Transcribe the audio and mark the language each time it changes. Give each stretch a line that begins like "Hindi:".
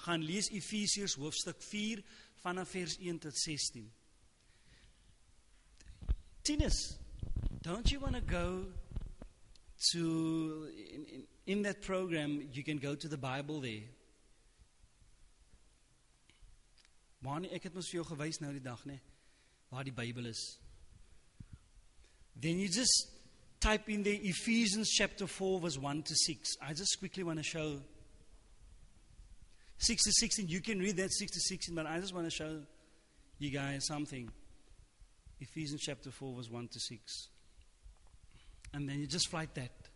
Afrikaans: Gaan lees Ephesians hoofstuk 4 vanaf vers 1 tot 16.
English: Tinus, don't you want to go to, in that program, you can go to the Bible there.
Afrikaans: Marnie, ek het mos vir jou gewys nou die dag, nee, waar die Bybel is.
English: Then you just type in there Ephesians chapter 4 verse 1 to 6. I just quickly want to show 6 to 16. You can read that 6 to 16, but I just want to show you guys something. Ephesians chapter 4 verse 1 to 6. And then you just write that.